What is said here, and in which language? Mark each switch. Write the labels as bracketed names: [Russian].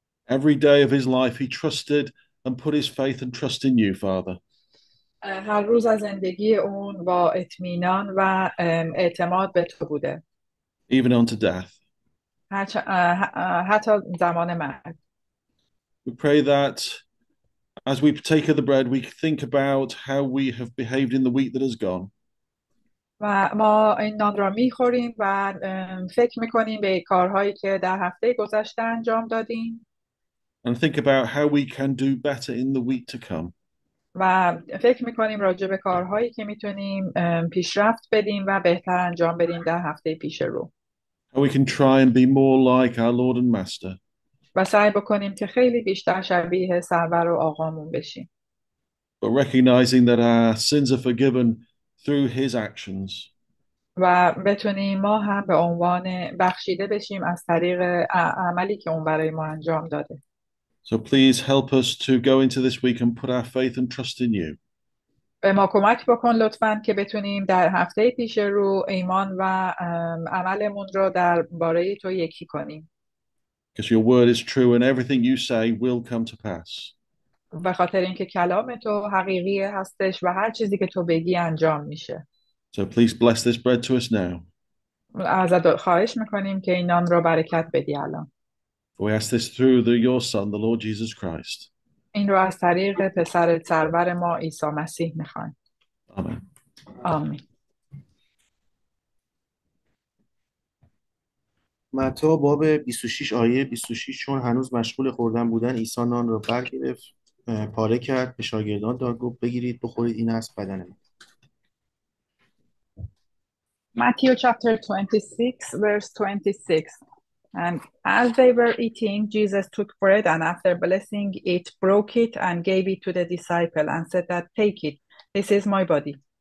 [English] Every day of his life he trusted and put his faith and trust in you, Father. [Persian] هر روز از زندگی اون با اطمینان و اعتماد به تو بوده. [English] Even unto death. [Persian] حتی زمان مرگ. [English] We pray that as we partake of the bread, we think about how we have behaved in the week that has gone. [Persian] و ما این نان را می‌خوریم و فکر می‌کنیم به کارهایی که در هفته گذشته انجام دادیم. [English] And think about how we can do better in the week to come. [Persian] و فکر می‌کنیم راجع به کارهایی که می‌تونیم پیشرفت بدیم و بهتر انجام بدیم در هفته پیش رو. [English] How we can try and be more like our Lord and Master. [Persian] و سعی بکنیم که خیلی بیشتر شبیه سرور و آقامون بشیم. [English] But recognizing that our sins are forgiven through his actions. [Persian] و بتونیم ما هم به عنوان بخشیده بشیم از طریق عملی که اون برای ما انجام داده. [English] So please help us to go into this week and put our faith and trust in you. [Persian] به ما کمک بکن لطفاً که بتونیم در هفته پیش رو ایمان و عملمون رو در باره تو یکی کنیم. [English] Because your word is true and everything you say will come to pass. [Persian] به خاطر اینکه کلام تو حقیقی هستش و هر چیزی که تو بگی انجام میشه. [English] So please bless this bread to us now. [Persian] ازت خواهش میکنیم که این نان را برکت بدی الان. [English] We ask this through your Son, the Lord Jesus Christ. [Persian] این را از طریق پسر سرور ما عیسی مسیح میخوایم. [English] Amen. [Persian] آمین. متا باب 26 آیه 26 چون هنوز مشغول خوردن بودن عیسی نان را برگرفت پاره کرد به شاگردان داد گفت بگیرید بخورید این است بدن من. [English] Matthew chapter 26 verse 26 and as they were eating Jesus took bread and after blessing it broke it and gave it to the disciple and said that take it this is my body.